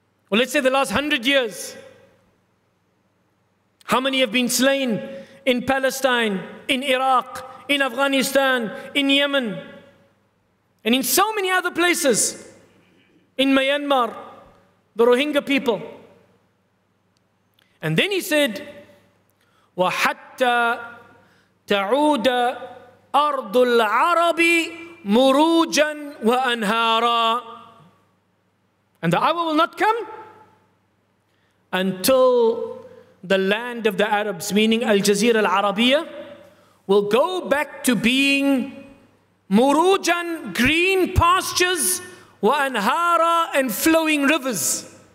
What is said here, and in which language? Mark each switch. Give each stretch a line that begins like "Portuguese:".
English: Well, let's say the last 100 years. How many have been slain in Palestine, in Iraq, in Afghanistan, in Yemen, and in so many other places? In Myanmar, the Rohingya people. And then he said,
Arabic: وَحَتَّى تَعُودَ أَرْضُ الْعَرَبِ مُرُوجًا وَأَنْهَارًا.
English: And the hour will not come until the land of the Arabs, meaning Al-Jazeera Al-Arabiya, will go back to being murujan, green pastures, وَأَنْهَارًا, and flowing rivers.